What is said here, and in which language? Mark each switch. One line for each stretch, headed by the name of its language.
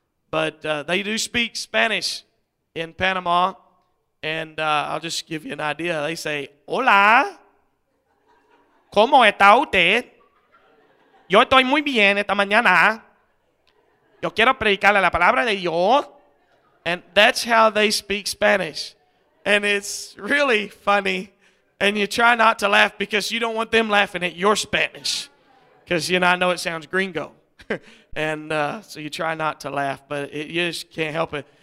English: But they do speak Spanish in Panama, and I'll just give you an idea. They say,
Spanish: hola, ¿cómo está usted? Yo estoy muy bien esta mañana. Yo quiero predicarle la palabra de Dios.
English: And that's how they speak Spanish. And it's really funny. And you try not to laugh because you don't want them laughing at your Spanish. Because, you know, I know it sounds gringo. And so you try not to laugh, but you just can't help it.